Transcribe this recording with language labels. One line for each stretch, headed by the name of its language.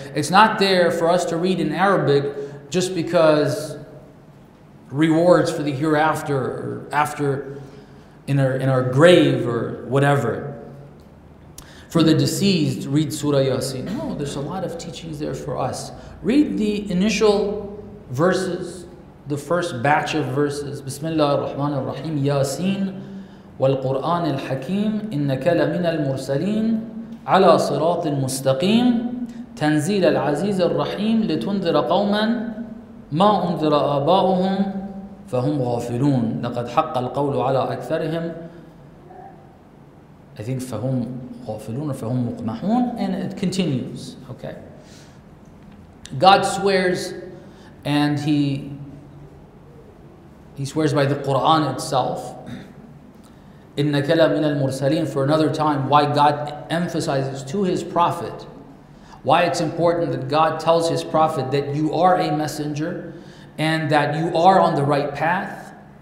English: It's not there for us to read in Arabic just because rewards for the hereafter or after in our grave or whatever. For the deceased, read Surah Yasin. No, there's a lot of teachings there for us. Read the initial verses, the first batch of verses.
Arabic: Bismillah ar-Rahman ar-Rahim, Yasin والقرآن الحكيم إنك لمن المرسلين على صراط مستقيم تنزيل العزيز الرحيم لتنذر قوما ما أنذر آباؤهم فهم غافلون لقد حق القول على أكثرهم
English: I think
Arabic: فهم غافلون فهم مقمحون
English: and it continues. Okay. God swears and he swears by the Quran itself.
Arabic: إِنَّكَ لَمِنَ الْمُرْسَلِينَ
English: For another time, why God emphasizes to His Prophet, why it's important that God tells His Prophet that you are a messenger and that you are on the right path.